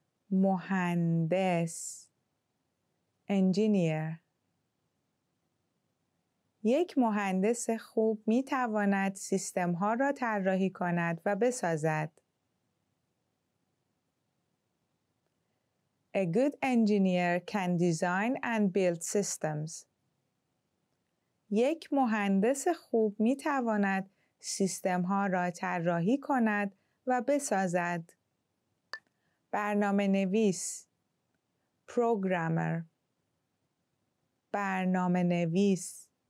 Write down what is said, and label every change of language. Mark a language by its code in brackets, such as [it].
[fa] مهندس. [en] Engineer. [fa] یک مهندس خوب می تواند سیستم ها را طراحی کند و بسازد. [en] A good engineer can design and build systems. [fa] یک مهندس خوب می تواند سیستم ها را طراحی کند و بسازد. برنامه نویس. [en] Programmer. [fa] برنامه نویس.